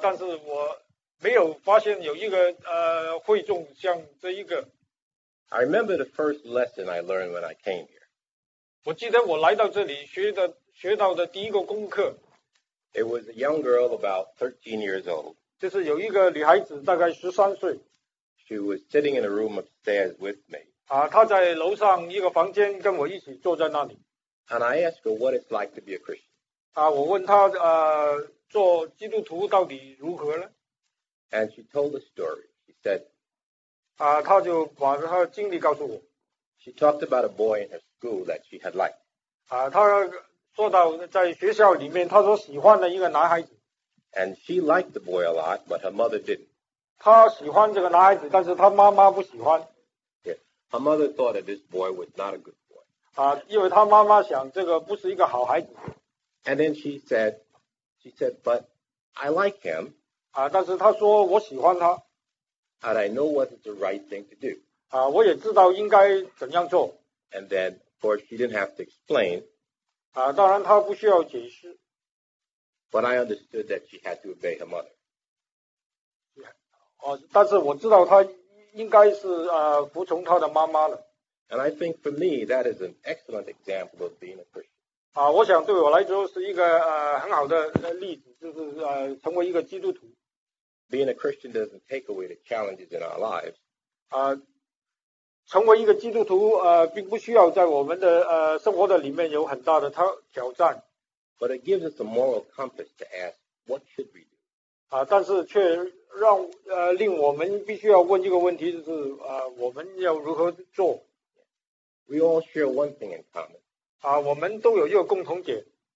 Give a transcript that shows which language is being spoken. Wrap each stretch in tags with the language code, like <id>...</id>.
<zh>但是我没有发现有一个会众像这一个。</zh> <en>I remember the first lesson I learned when I came here.</en> <zh>我记得我来到这里学到的第一个功课。</zh> <en>It was a young girl about 13 years old.</en> <zh>就是有一个女孩子大概13岁。</zh> <en>She was sitting in a room upstairs with me.</en> <zh>啊，她在楼上一个房间跟我一起坐在那里。</zh> <en>And I asked her what it's like to be a Christian.</en> <zh>啊，我问她做基督徒到底如何呢？</zh> <en>And she told the story. She said.</en> <zh>啊，她就把她的经历告诉我。</zh> <en>She talked about a boy in her school that she had liked.</en> <zh>啊，她说到在学校里面，她说喜欢了一个男孩子。</zh> <en>And she liked the boy a lot, but her mother didn't.</en> <zh>她喜欢这个男孩子，但是她妈妈不喜欢。</zh> <en>Yeah, her mother thought that this boy was not a good boy.</en> <zh>啊，因为她妈妈想这个不是一个好孩子。</zh> <en>And then she said, but I like him.</en> <zh>啊，但是她说我喜欢他。</zh> <en>And I know what is the right thing to do.</en> <zh>啊，我也知道应该怎样做。</zh> <en>And then, of course, she didn't have to explain.</en> <zh>啊，当然她不需要解释。</zh> <en>But I understood that she had to obey her mother.</en> <zh>但是我知道他应该是服从他的妈妈了。</zh> <en>And I think for me that is an excellent example of being a Christian.</en> <zh>啊，我想对我来说是一个很好的例子，就是成为一个基督徒。</zh> <en>Being a Christian doesn't take away the challenges in our lives.</en> <zh>啊，成为一个基督徒并不需要在我们的生活的里面有很大的挑战。</zh> <en>But it gives us a moral compass to ask what should we do.</en> <zh>啊，但是却让令我们必须要问一个问题，就是我们要如何做。</zh> <en>We all share one thing in common.</en> <zh>啊，我们都有一个共同点。</zh>